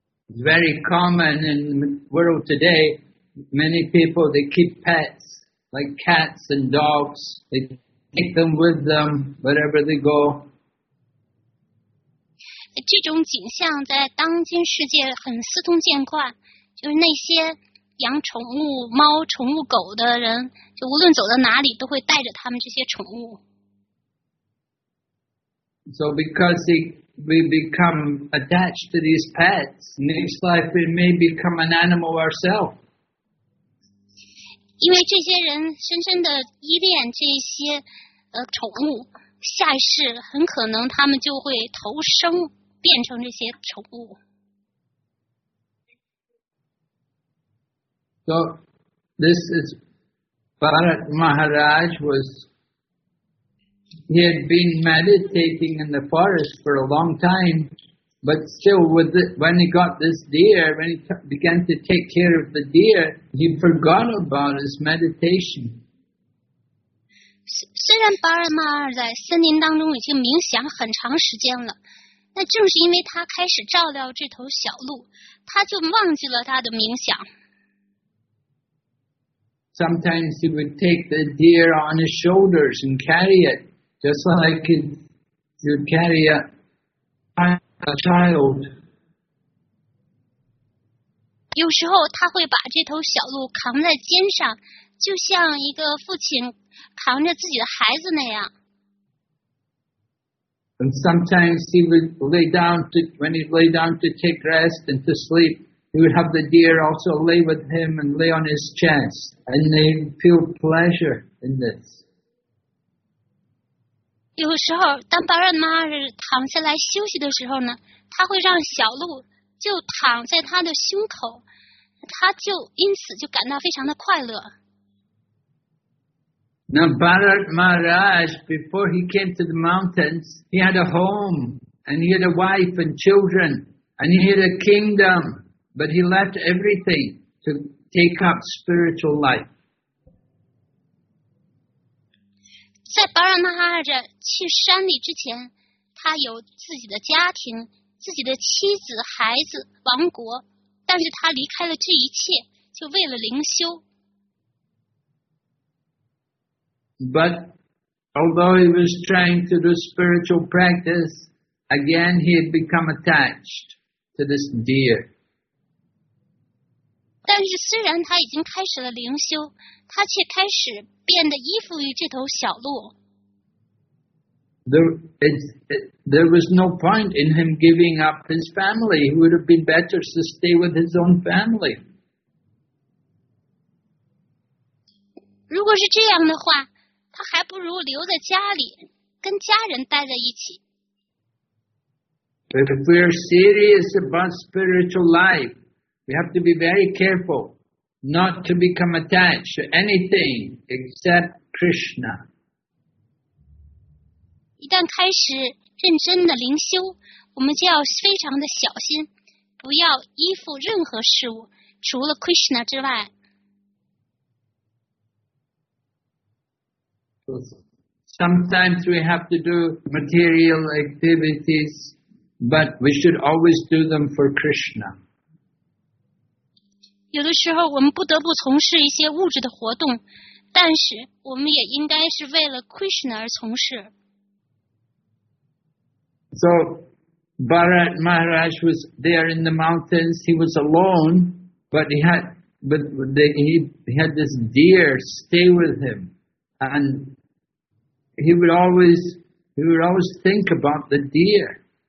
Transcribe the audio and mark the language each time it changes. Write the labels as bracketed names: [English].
[English] It's very common in the world today. Many people, they keep pets, like cats and dogs. They take them with them wherever they go. [Chinese] 这种景象在当今世界很司空见惯，就是那些养宠物猫宠物狗的人，就无论走到哪里都会带着他们这些宠物。 [English] So because we become attached to these pets, next life we may become an animal ourselves. [Chinese] 因为这些人深深的依恋这些宠物，下一世很可能他们就会投生变成这些宠物。 [English] So this is Bharat Maharaj was. He had been meditating in the forest for a long time, but still, when he got this deer, when he began to take care of the deer, he forgot about his meditation. [Chinese] 虽然巴尔马尔在森林当中已经冥想很长时间了，那正是因为他开始照料这头小鹿，他就忘记了他的冥想。 [English] Sometimes he would take the deer on his shoulders and carry it. Just like you carry a child. [Chinese] 有时候他会把这头小鹿扛在肩上，就像一个父亲扛着自己的孩子那样。 [English] And sometimes he would lay down to, when he lay down to take rest and to sleep, he would have the deer also lay with him and lay on his chest. And they feel pleasure in this. [Chinese] 有时候当巴拉马尔躺下来休息的时候呢，他会让小鹿就躺在他的胸口，他就因此就感到非常的快乐。 [English] Now Bharat Maharaj, before he came to the mountains, he had a home, and he had a wife and children, and he had a kingdom, but he left everything to take up spiritual life. [Chinese] 在巴拉马哈拉去山里之前，他有自己的家庭、自己的妻子、孩子、王国，但是他离开了这一切，就为了灵修。 [English] But although he was trying to do spiritual practice, again he had become attached to this deer. [Chinese] 但是虽然他已经开始了灵修，他却开始变得依附于这头小鹿。 [English] There was no point in him giving up his family. He would have been better to stay with his own family. [Chinese] 如果是这样的话，他还不如留在家里，跟家人待在一起。 [English] If we are serious about spiritual life,We have to be very careful not to become attached to anything except Krishna. [Chinese] 一旦开始认真的灵修，我们就要非常的小心，不要依附任何事物，除了 Krishna 之外。 [English] Sometimes we have to do material activities, but we should always do them for Krishna. [Chinese] 有的时候我们不得不从事一些物质的活动，但是我们也应该是为了 Krishna 而从事。 [English] So, Bharat Maharaj was there in the mountains. He was alone, but he had this deer stay with him, and he would always think about the deer.